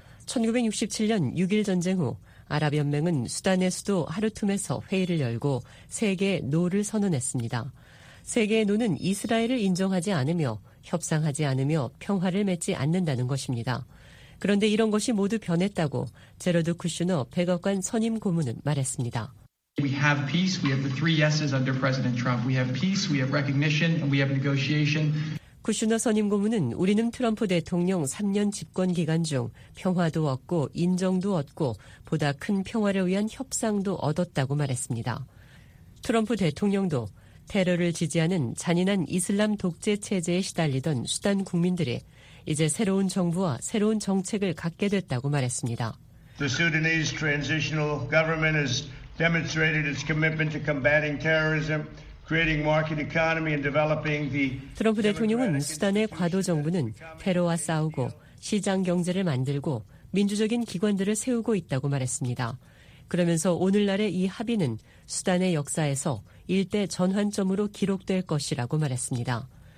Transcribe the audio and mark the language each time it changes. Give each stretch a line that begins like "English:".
Korean: 1967년 6.1 전쟁 후 아랍연맹은 수단의 수도 하르툼에서 회의를 열고 세계 노를 선언했습니다. 세계의 노는 이스라엘을 인정하지 않으며 협상하지 않으며 평화를 맺지 않는다는 것입니다. 그런데 이런 것이 모두 변했다고 제러드 쿠슈너 백악관 선임 고문은 말했습니다.
English: We have peace. We have the three yeses under President Trump. We have peace. We have recognition. And we have negotiation.
Korean: 쿠슈너 선임 고문은 우리는 트럼프 대통령 3년 집권 기간 중 평화도 얻고 인정도 얻고 보다 큰 평화를 위한 협상도 얻었다고 말했습니다. 트럼프 대통령도 테러를 지지하는 잔인한 이슬람 독재 체제에 시달리던 수단 국민들이 이제 새로운 정부와 새로운 정책을 갖게 됐다고 말했습니다.
English: The Sudanese transitional government has demonstrated its commitment to combating terrorism.
Korean: 트럼프 대통령은 수단의 과도 정부는 테러와 싸우고 시장 경제를 만들고 민주적인 기관들을 세우고 있다고 말했습니다. 그러면서 오늘날의 이 합의는 수단의 역사에서 일대 전환점으로 기록될 것이라고 말했습니다.